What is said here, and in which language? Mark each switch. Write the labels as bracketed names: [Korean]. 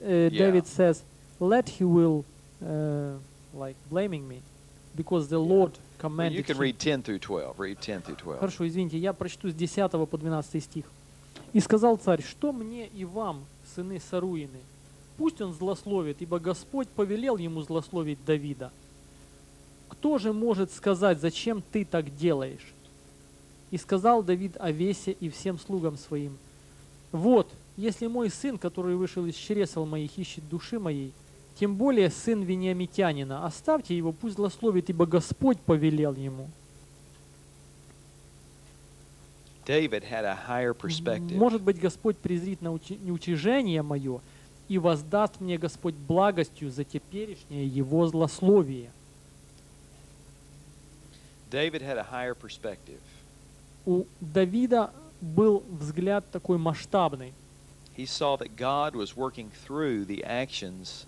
[English] David says, let he will like blaming me, because the Lord commanded him. You can read 10 through 12. Read 10 through 12. [Russian] Хорошо, извините, я прочту с 10 по 12 стих. И сказал царь, что мне и вам, сыны Саруины? Пусть он злословит, ибо Господь повелел ему злословить Давида. Кто же может сказать, зачем ты так делаешь? И сказал Давид Авесе и всем слугам своим, «Вот, если мой сын, который вышел из чресел моих, ищет души моей, тем более сын вениамитянина, оставьте его, пусть злословит, ибо Господь повелел ему». [English] David had a higher perspective. [Russian] «Может быть, Господь презрит на неутяжение мое, и воздаст мне Господь благостью за теперешнее его злословие. [English] David had a higher perspective. [Russian] У Давида был взгляд такой масштабный. [English] He saw that God was working through the actions